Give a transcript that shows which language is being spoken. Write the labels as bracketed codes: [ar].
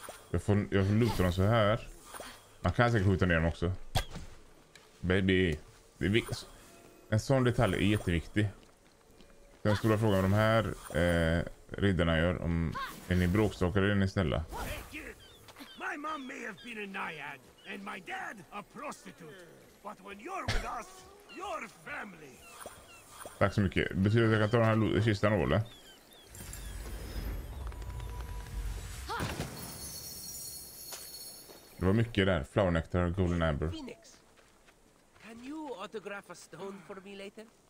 [sv] Jag får luta dem så här. Man kan säkert skjuta ner dem också. Baby. Det är en sån detalj är jätteviktig. Den stora frågan om de här riddarna gör. Om, är ni bråkstakare eller är ni snälla? [en] My mom may have been a naiad and my dad a prostitute. But when you're with us, you're family. [sv] Tack så mycket. Betyder att jag kan ta den här kistan då, eller? Det var mycket där. Flower Nectar och Golden Amber. [en] Phoenix, can you autograph a stone for me later?